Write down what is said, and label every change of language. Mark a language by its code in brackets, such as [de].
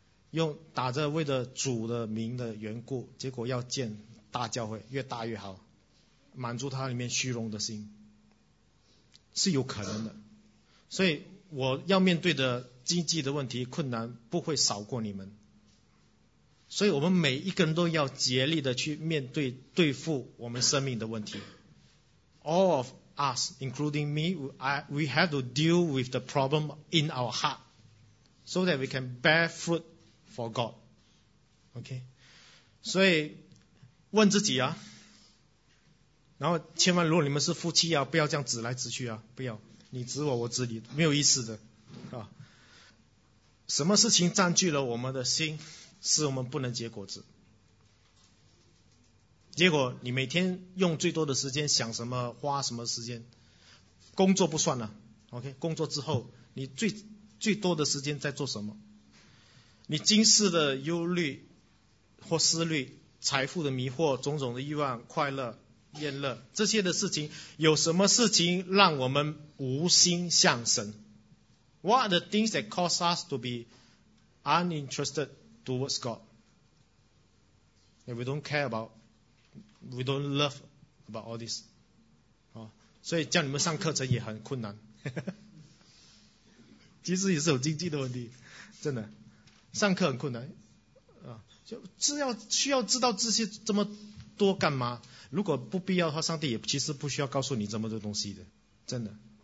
[zh] 用打着为了主的名的缘故，结果要建大教会越大越好，满足他里面虚荣的心是有可能的。所以我要面对的经济的问题困难不会少过你们，所以我们每一个人都要竭力的去面对对付我们生命的问题。 [en] All of us including me we have to deal with the problem in our heart so that we can bear fruit for God. [zh] OK， 所以问自己啊，然后千万如果你们是夫妻啊，不要这样指来指去啊，不要你指我，我指你，没有意思的啊！什么事情占据了我们的心，使我们不能结果子？结果你每天用最多的时间想什么，花什么时间？工作不算了， OK， 工作之后你最多的时间在做什么？你今世的忧虑或思虑、财富的迷惑、种种的欲望、快乐、厌乐，这些的事情，有什么事情让我们无心向神？ [en] What are the things that cause us to be uninterested towards God? If we don't care about, we don't love about all this. [zh] 所以叫你们上课程也很困难。其实也是有经济的问题，真的，上课很困难。需要知道这些这么多干嘛？如果不必要的话，上帝也其实不需要告诉你这么多东西的，真的。